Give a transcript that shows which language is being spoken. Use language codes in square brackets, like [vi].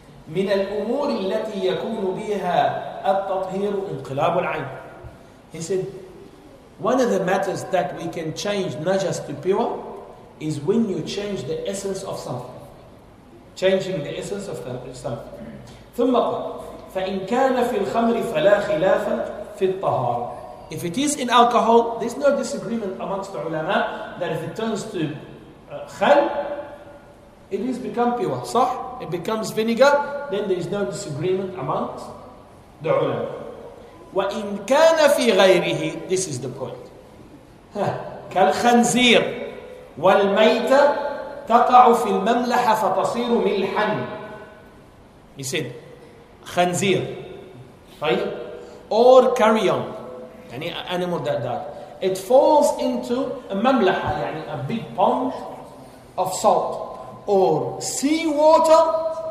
[ar] مِنَ الْأُمُورِ الَّتِي يَكُونُ بِهَا التَّطْهِيرُ انْقِلَابُ الْعَيْنِ. [en] He said, one of the matters that we can change najas to pure is when you change the essence of something. Changing the essence of something. [ar] ثم قال فإن كان في الخمر فلا خلاف في الطهارة. [en] If it is in alcohol, there's no disagreement amongst the ulama that if it turns to khal, it is become piwa. صح? It becomes vinegar. Then there is no disagreement amongst the ulama. [ar] وإن كان في غيره, [en] this is the point. [ar] كالخنزير والميتة تقع في المملحة فتصير ملحا. [en] He said, خنزير, طيب, or carrion, يعني animal that died. It falls into a مملحة, يعني a big pond of salt, or sea water.